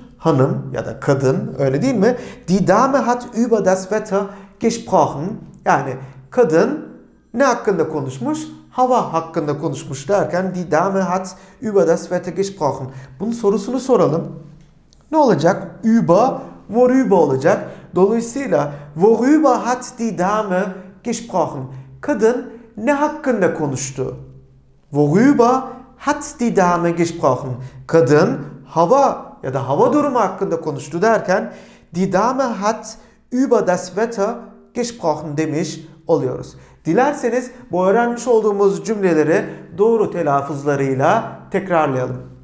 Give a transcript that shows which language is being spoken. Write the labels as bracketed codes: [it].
[tr] Hanım ya da kadın, öyle değil mi? [de] Die Dame hat über das Wetter gesprochen, [tr] yani kadın ne hakkında konuşmuş? Hava hakkında konuşmuş derken [de] die Dame hat über das Wetter gesprochen. [tr] Bunun sorusunu soralım. Ne olacak? Über, worüber olacak. [de] Dolayısıyla worüber hat die Dame gesprochen? [tr] Kadın ne hakkında konuştu? [de] Worüber hat die Dame gesprochen? [tr] Kadın hava ya da hava durumu hakkında konuştu derken [de] die Dame hat über das Wetter gesprochen [tr] demiş oluyoruz. Dilerseniz bu öğrenmiş olduğumuz cümleleri doğru telaffuzlarıyla tekrarlayalım.